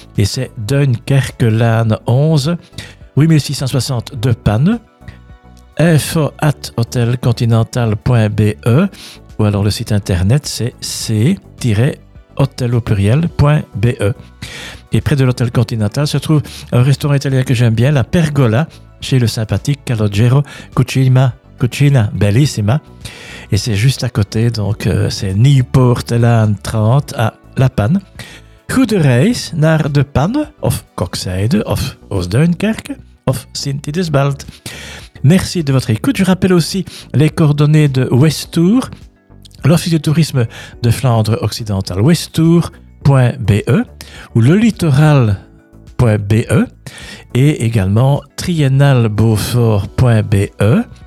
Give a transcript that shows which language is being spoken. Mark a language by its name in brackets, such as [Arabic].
[French] Et c'est Dunkerque-Lane 11, 8660 de Panne, info@hotelcontinental.be, ou alors le site internet c'est c-hotel.be. Et près de l'hôtel Continental se trouve un restaurant italien que j'aime bien, la Pergola, chez le sympathique Calogero Cucina Bellissima. Et c'est juste à côté, donc c'est Nieuwpoortlaan 30 à La Panne. [Dutch] Goede reis naar De Panne, of Coxide, of Oost-Duinkerke, of Sint-Idisbald. [French] Merci de votre écoute. Je rappelle aussi les coordonnées de Westour, l'office de tourisme de Flandre occidentale, westour.be ou lelittoral.be, et également triennalebeaufort.be.